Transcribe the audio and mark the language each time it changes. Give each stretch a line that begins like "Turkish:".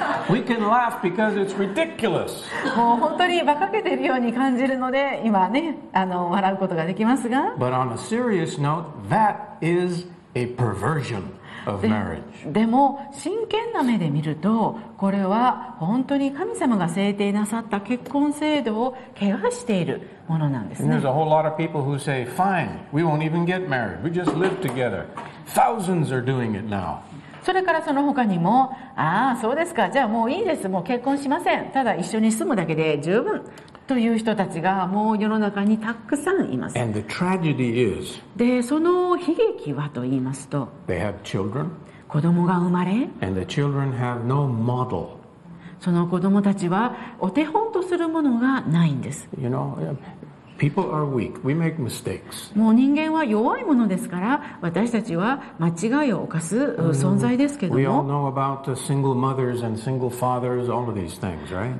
English: We can laugh because it's ridiculous.
Japanese: もう本当に馬鹿げているように感じるので、今ね、あの笑うことができますが。
English: But on a serious note, that is a perversion of marriage.
Japanese: でも真剣な目で見ると、これは本当に神様が制定なさった結婚制度を怪我しているものなんですね。
English: And there's a whole lot of people who say, "Fine, we won't even get married. We just live together." Thousands are doing it now.
Japanese: それからその他にも、ああそうですか、じゃあもういいです、もう結婚しません、ただ一緒に住むだけで十分という人たちがもう世の中にたくさんいます。
English: And the tragedy is,
Japanese: でその悲劇はと言いますと、
English: they have children,
Japanese: 子供が生まれ、
English: and the children have no model.
Japanese: その子供たちはお手本とするものがないんです。
English: you know,People are weak. We make mistakes.
Japanese: もう人間は弱いものですから、私たちは間違いを犯す存在ですけども。
English: We all know about the single mothers and single fathers, all of these things, right?